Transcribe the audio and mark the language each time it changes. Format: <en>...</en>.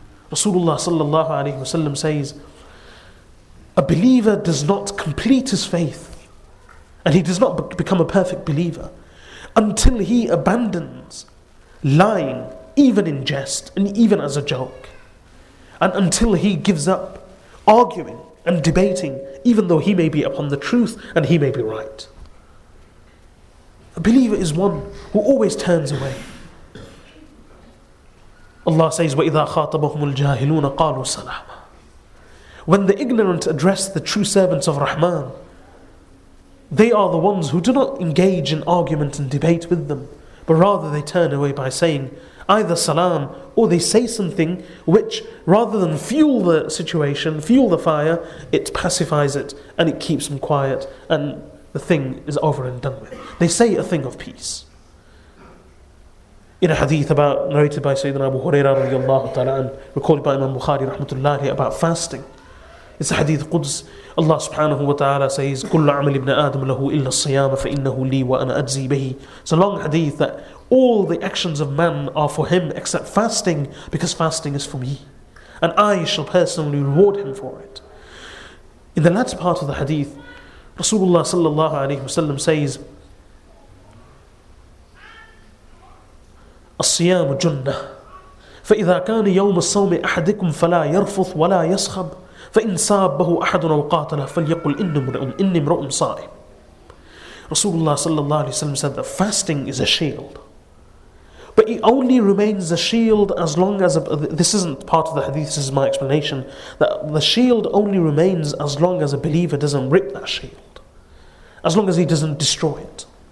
<en>Rasulullah sallallahu alayhi wa sallam says, a believer does not complete his faith and he does not become a perfect believer until he abandons lying, even in jest and even as a joke, and until he gives up arguing and debating, even though he may be upon the truth and he may be right. A believer is one who always turns away. Allah says,</en> <ar>وَإِذَا خَاطَبَهُمُ الْجَاهِلُونَ قَالُوا سَلَامًا.</ar> <en>When the ignorant address the true servants of Rahman, they are the ones who do not engage in argument and debate with them, but rather they turn away by saying either salam, or they say something which, rather than fuel the situation, fuel the fire, it pacifies it and it keeps them quiet and the thing is over and done with. They say a thing of peace. In a hadith about narrated by Sayyidina Abu Huraira radiallahu ta'ala and recorded by Imam Bukhari rahmatullahi about fasting, it's a hadith Quds. Allah subhanahu wa ta'ala says,</en> <ar>كُلَّ عَمَلِ ابْنَ آدَمَ لَهُ إِلَّا الصِّيَامَ فَإِنَّهُ لِي وَأَنَا أَجْزِي بِهِ.</ar> <en>It's a long hadith that all the actions of man are for him except fasting, because fasting is for me, and I shall personally reward him for it. In the latter part of the hadith, Rasulullah sallallahu alayhi wa sallam says,</en> <ar>الصِّيَامُ جُنَّةٌ فَإِذَا كَانَ يَوْمَ الصَّوْمِ أَحَدِكُمْ فَلَا يَرْفُثْ وَلَا يَصْخَبْ فَإِنْ سَابَّهُ أَحَدٌ وَقَاتَلَ فَلْيَقُلْ إِنِّي امْرُؤٌ صَائِمٌ.</ar> <en>Rasulullah sallallahu alayhi wa sallam said that fasting is a shield, but it only remains a shield as long as this isn't part of the hadith, this is my explanation, that the shield only remains as long as a believer doesn't rip that shield, as long as he doesn't destroy it.</en>